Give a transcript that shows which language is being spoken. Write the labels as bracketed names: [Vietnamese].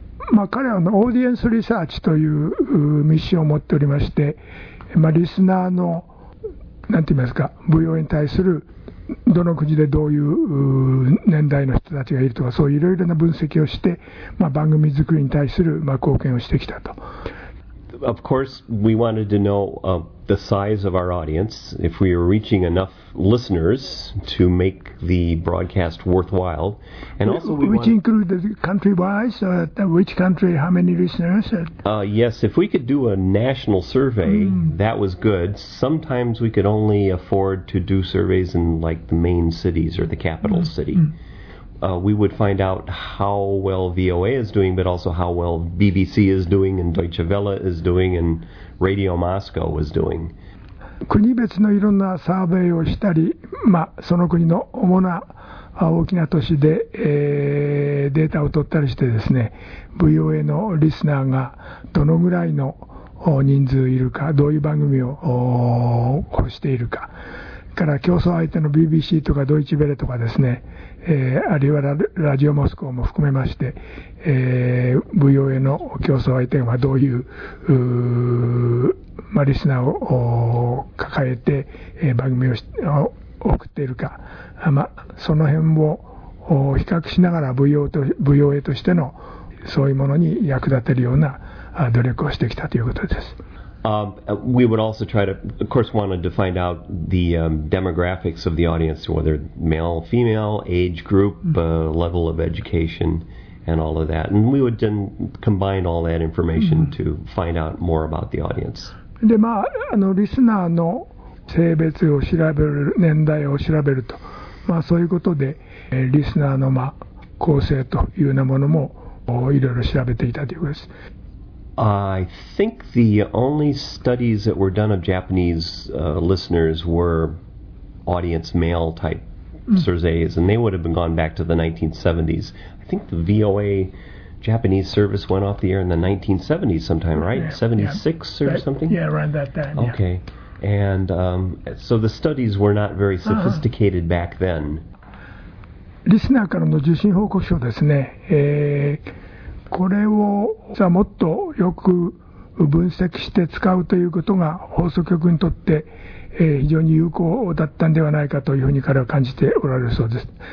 [Japanese] まあ、彼はのオーディエンスリサーチというミッションを持っておりまして、まあ、リスナーのなんて言いますか、舞踊に対するどの国でどういう年代の人たちがいるとか、そういういろいろな分析をして、まあ、番組作りに対する、まあ、貢献をしてきたと。 [English] Of course, we wanted to know、the size of our audience, if we were reaching enough listeners to make the broadcast worthwhile. And also, we which included country-wise,、which country, how many listeners?、 Yes, if we could do a national survey,、that was good. Sometimes we could only afford to do surveys in like the main cities or the capital city.、We would find out how well VOA is doing, but also how well BBC is doing and Deutsche Welle is doing and Radio Moscow was doing. [Japanese] 国別のいろんなサーベイをしたり、まあ、その国の主な大きな都市で、データを取ったりしてですね、VOA のリスナーがどのぐらいの人数いるか、どういう番組を欲しているか、から競争相手の BBC とかドイチベレとかですね、あるいは ラジオモスクワも含めまして、VOA の競争相手はどういう、まあ、リスナーを抱えて、番組 を送っているか、まあ、その辺を比較しながら VOA としてのそういうものに役立てるような努力をしてきたということです。 [English] We would also try to, of course, wanted to find out the、demographics of the audience, whether male, female, age group,、level of education, and all of that. And we would then combine all that information、to find out more about the audience. [Japanese] で、まあ、あの、リスナーの性別を調べる、年代を調べると、まあ、そういうことで、リスナーの、まあ、構成というようなものも、いろいろ調べていたということです。 [English] I think the only studies that were done of Japanese、listeners were audience male type、surveys, and they would have been gone back to the 1970s. I think the VOA Japanese service went off the air in the 1970s sometime, right? Yeah, 76 yeah. or that, something? Yeah, around that time. Okay. Yeah. And、so the studies were not very sophisticated、back then. [Japanese] リスナーからの受信報告書ですね。これをじゃあもっとよく分析して使うということが放送局にとって非常に有効だったんではないかというふうに彼は感じておられるそうです。